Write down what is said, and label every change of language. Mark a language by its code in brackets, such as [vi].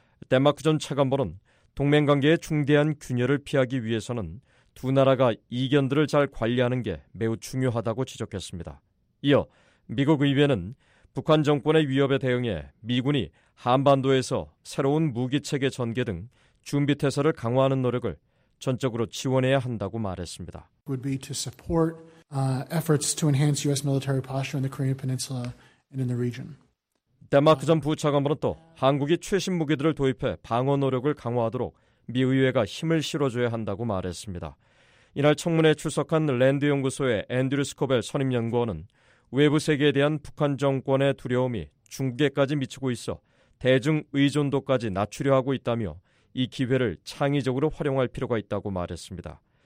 [ko] 덴마크 전 차관보는 동맹관계의 중대한 균열을 피하기 위해서는 두 나라가 이견들을 잘 관리하는 게 매우 중요하다고 지적했습니다. 이어 미국 의회는 북한 정권의 위협에 대응해 미군이 한반도에서 새로운 무기체계 전개 등 준비태세를 강화하는 노력을 전적으로 지원해야 한다고 말했습니다. [en] Would be to support efforts to enhance U.S. military posture in the Korean Peninsula and in the region. [ko] 덴마크 전 부차관보는 또 한국이 최신 무기들을 도입해 방어 노력을 강화하도록 미 의회가 힘을 실어줘야 한다고 말했습니다. 이날 청문회에 출석한 랜드연구소의 앤드류 스코벨 선임연구원은 외부 세계에 대한 북한 정권의 두려움이 중국에까지 미치고 있어 대중 의존도까지 낮추려 하고 있다며 이 기회를 창의적으로 활용할 필요가 있다고 말했습니다.